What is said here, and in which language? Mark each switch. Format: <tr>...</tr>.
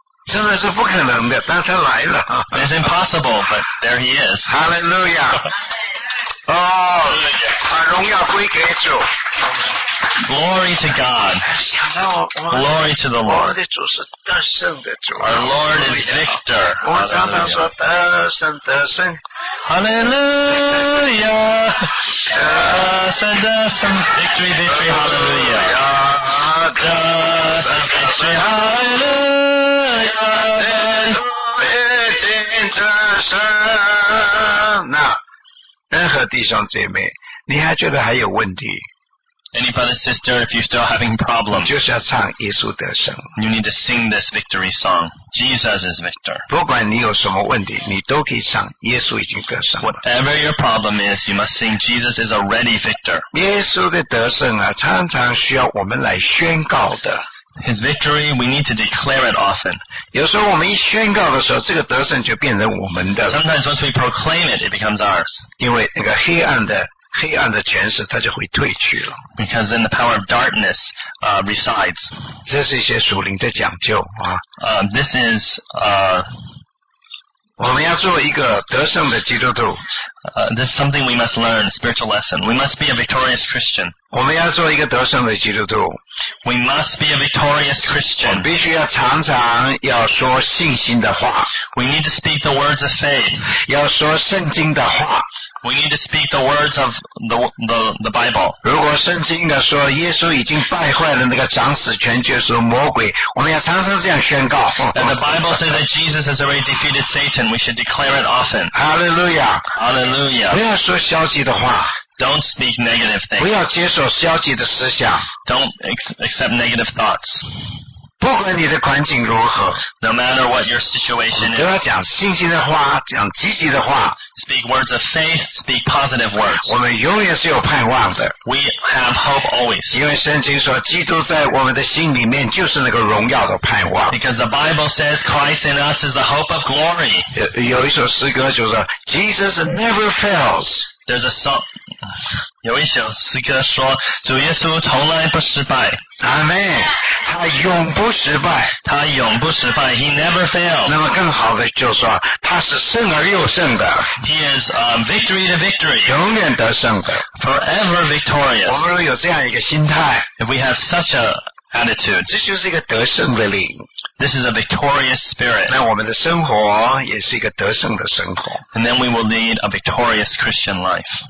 <zh>真的是不可能的但他来了</zh> <en>It's impossible but there he is</en> <zh>Hallelujah 把荣耀归给主</zh> <en>Glory to God Glory to the Lord</en> <zh>我们的主是得胜的主</zh> <en>Our Lord is victor</en> <zh>我常常说得胜得胜</zh> <en>Hallelujah</en> <zh>得胜得胜</zh> <en>Victory victory hallelujah 得胜 victory hallelujah</en> <zh>得胜得胜那任何弟兄姐妹你还觉得还有问题</zh> <en>Any brother sister if you're still having problems</en> <zh>就是要唱耶稣得胜</zh> <en>You need to sing this victory song Jesus is victor</en> <zh>不管你有什么问题你都可以唱耶稣已经得胜</zh> <en>Whatever your problem is you must sing Jesus is already victor</en> <zh>耶稣的得胜啊常常需要我们来宣告的</zh> <en>His victory we need to declare it often</en> <zh>有时候我们一宣告的时候这个得胜就变成我们的</zh> <en>Sometimes once we proclaim it it becomes ours</en> <zh>因为那个黑暗的黑暗的权势，它就会退去了。</zh> <en>Because in the power of darkness, resides.</en> <zh>这是一些属灵的讲究啊。</zh> <en>This is</en> <zh>我们要做一个得胜的基督徒。</zh> <en>This is something we must learn, a spiritual lesson. We must be a victorious Christian.</en> <zh>我们要做一个得胜的基督徒。</zh> <en>We must be a victorious Christian.</en> <zh>我们必须要常常要说信心的话。</zh> <en>We need to speak the words of faith.</en> <zh>要说圣经的话。</zh> <en>We need to speak the words of the Bible.</en> <zh>如果圣经的说耶稣已经败坏了那个掌死权，就是魔鬼，我们要常常这样宣告。</zh> <en>And the Bible says that Jesus has already defeated Satan. We should declare it often. Hallelujah. Hallelujah.</en> <zh>不要说消极的话。</zh> <en>Don't speak negative things.</en> <zh>不要接受消极的思想。</zh> <en>Don't accept negative thoughts.</en> <zh>不管你的环境如何</zh> <en>，No matter what your situation is，</en> <zh>都要讲信心的话，讲积极的话。</zh> <en>Speak words of faith, speak positive words。</en> <zh>我们永远是有盼望的。</zh> <en>We have hope always。</en> <zh>因为圣经说，基督在我们的心里面就是那个荣耀的盼望。</zh> <en>Because the Bible says Christ in us is the hope of glory。</en> <zh>有一首诗歌就是</zh> <en>Jesus never fails。 There's a song。</en> <zh>有一首诗歌说，主耶稣从来不失败。阿门，他永不失败，他永不失败 ，</zh> <en>He never fails。</en> <zh>那么更好的就是说，他是胜而又胜的</zh> <en>，He is victory to victory，</en> <zh>永远得胜的</zh> <en>，Forever victorious。</en> <zh>我们有这样一个心态</zh> <en>，If we have such a attitude，</en> <zh>这就是一个得胜的灵。</zh> <en>This is a victorious spirit.</en> <zh>那我们的生活也是一个得胜的生活。</zh> <en>And then we will lead a victorious Christian life.</en>